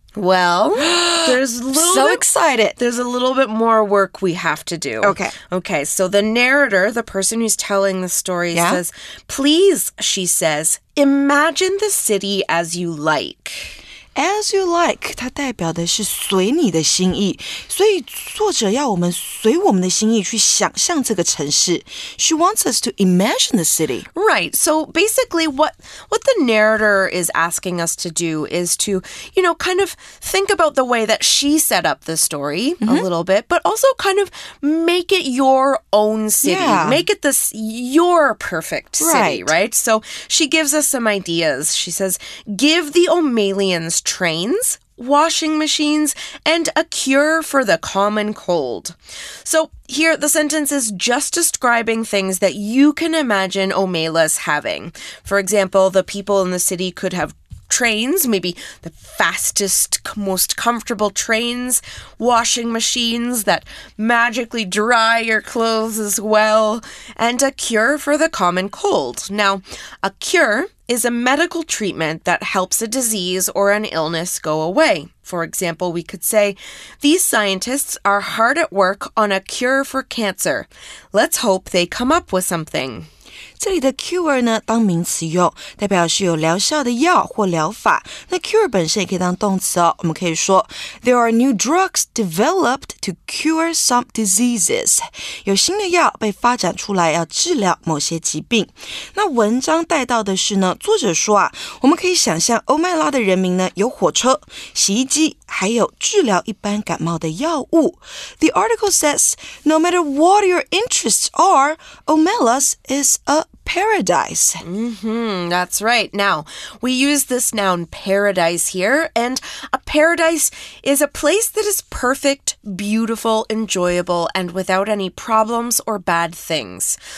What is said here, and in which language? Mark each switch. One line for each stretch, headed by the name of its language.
English: Well, there's a little, so excited. There's a little bit more work we have to do. Okay. Okay, so the narrator, the person who's telling the story, says, please, she says, imagine the city as you like. As you like,
Chinese: 它代表的是随你的心意。所以作者要我们随我们的心意去想象这个城市。
English: She wants us to imagine the city. Right, so basically what the narrator is asking us to do is to, you know, kind of think about the way that she set up the story、mm-hmm. a little bit, but also kind of make it your own city.、 Yeah. Make it this, your perfect city, right? So she gives us some ideas. She says, give the O'Malians trains, washing machines, and a cure for the common cold. So here the sentence is just describing things that you can imagine O'Malas having. For example, the people in the city could have trains, maybe the fastest, most comfortable trains, washing machines that magically dry your clothes as well, and a cure for the common cold. Now, a cure is a medical treatment that helps a disease or an illness go away. For example, we could say, these scientists are hard at work on a cure for cancer. Let's hope they come up with something.
Chinese: 这里的 cure 呢，当名词用，代表是有疗效的药或疗法。那 cure 本身也可以当动词哦。我们可以说
English: ，There are new drugs developed to cure some diseases.
Chinese: 有新的药被发展出来，要治疗某些疾病。那文章带到的是呢，作者说啊，我们可以想象欧麦拉的人民呢，有火车、洗衣机，还有治疗一般感冒的药物。
English: The article says, no matter what your interests are, O'Malley's is aparadise. Mm-hmm, that's right. Now, we use this noun paradise here, and a paradise is a place that is perfect, beautiful, enjoyable, and without any problems or bad things.